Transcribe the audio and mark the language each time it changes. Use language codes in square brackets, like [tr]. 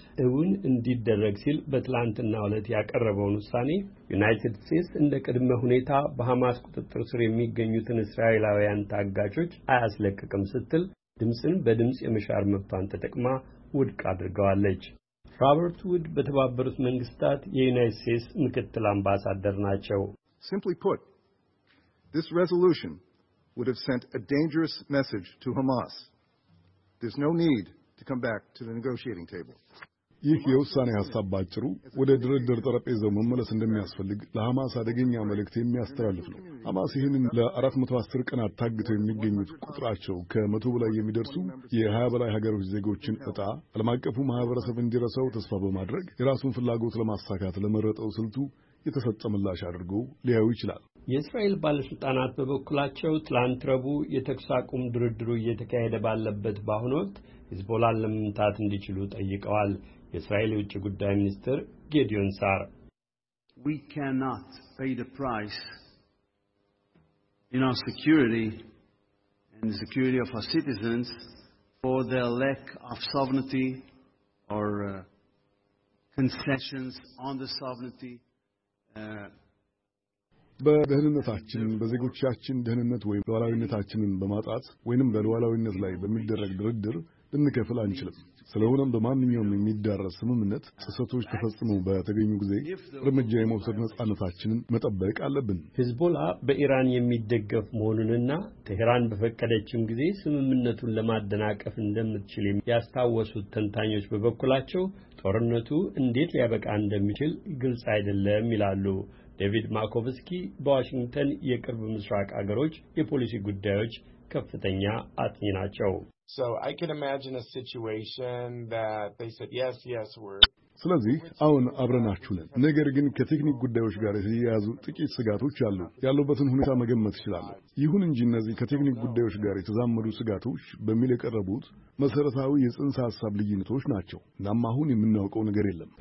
[am] እውን እንዲደረግ ሲል በትላንትናው ዕለት ያቀረበውን ውሳኔ ዩናይትድ ስቴትስ እንደ ቅድመ ሁኔታ በሐማስ ቁጥጥር ስር የሚገኙትን እስራኤላውያን ታጋቾች አያስለቅቅም ስትል ድምጽን በድምጽ የመሻር መብቷን ተጠቅማ ውድቅ አድርገዋለች። ሮበርት ውድ በተባበሩት መንግስታት የዩናይትድ ስቴትስ ምክትል አምባሳደር ናቸው። [en] Simply put, this resolution would have sent a dangerous message to Hamas. There's no need to come back to the negotiating table. [am] ይህ የውሳኔ ሐሳብ ባጭሩ ወደ ድርድር ጠረጴዛው መመለስ እንደሚያስፈልግ ለሐማስ አደገኛ መልእክት የሚያስተላልፍ ነው። ሐማስ ይህንን ለ410 ቀናት ታግተው የሚገኙት ቁጥራቸው ከ100 በላይ የሚደርሱ የ20 በላይ ሀገሮች ዜጎችን እጣ ዓለም አቀፉ ማህበረሰብ እንዲረሳው ተስፋ በማድረግ የራሱን ፍላጎት ለማሳካት ለመረጠው ስልቱ የተሰጠ ምላሽ አድርጎ ሊያዩ ይችላል። የእስራኤል ባለስልጣናት በበኩላቸው ትላንት ረቡዕ የተኩስ አቁም ድርድሩ እየተካሄደ ባለበት በአሁኑ ወቅት ሂዝቦላን ለመምታት እንዲችሉ ጠይቀዋል። የእስራኤል ውጭ ጉዳይ ሚኒስትር ጌዲዮን ሳር [en] We cannot pay the price in our security and the security of our citizens for their lack of sovereignty or concessions on the sovereignty. [am] በደህንነታችን በዜጎቻችን ደህንነት ወይም ሉዓላዊነታችንን በማጣት ወይንም በሉዓላዊነት ላይ በሚደረግ ድርድር ልንከፍል አንችልም። ስለሆነም በማንኛውም የሚዳረስ ስምምነት ጥሰቶች ተፈጽመው በተገኙ ጊዜ እርምጃ የመውሰድ ነጻነታችንን መጠበቅ አለብን። ሂዝቦላ በኢራን የሚደገፍ መሆኑንና ቴህራን በፈቀደችም ጊዜ ስምምነቱን ለማደናቀፍ እንደምትችል ያስታወሱት ተንታኞች በበኩላቸው ጦርነቱ እንዴት ሊያበቃ እንደሚችል ግልጽ አይደለም ይላሉ። ዴቪድ ማኮቭስኪ በዋሽንግተን የቅርብ ምስራቅ አገሮች የፖሊሲ ጉዳዮች ከፍተኛ አጥኚ ናቸው። [en] So I can imagine a situation that they said yes yes we're [am] ስለዚህ አሁን አብረናችሁ ነን። ነገር ግን ከቴክኒክ ጉዳዮች ጋር የተያያዙ ጥቂት ስጋቶች አሉ። ያሉበትን ሁኔታ መገመት ይችላል። ይሁን እንጂ እነዚህ ከቴክኒክ ጉዳዮች ጋር የተዛመዱ ስጋቶች በሚለቀረቡት መሰረታዊ የጽንሰ ሐሳብ ልዩነቶች ናቸው። እናም አሁን የምናውቀው ነገር የለም።